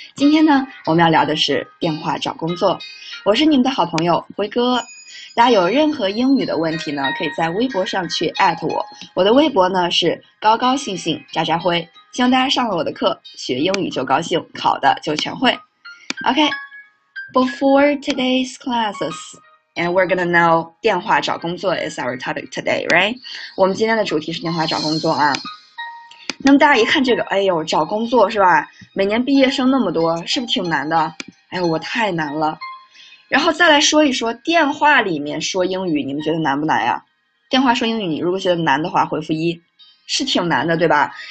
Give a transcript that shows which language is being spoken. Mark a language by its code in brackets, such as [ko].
[zh] 今天呢，我们要聊的是电话找工作。我是你们的好朋友辉哥，大家有任何英语的问题呢，可以在微博上去 at 我。我的微博呢是高高兴兴渣渣辉，希望大家上了我的课，学英语就高兴，考的就全会。 [en] Okay, before today's classes, and we're gonna know [zh] 电话找工作 [en] is our topic today, right? [zh] 我们今天的主题是电话找工作啊。那么大家一看这个，哎呦，找工作是吧？每年毕业生那么多，是不是挺难的？哎呦，我太难了。然后再来说一说电话里面说英语，你们觉得难不难呀？电话说英语，你如果觉得难的话，回复一，是挺难的，对吧？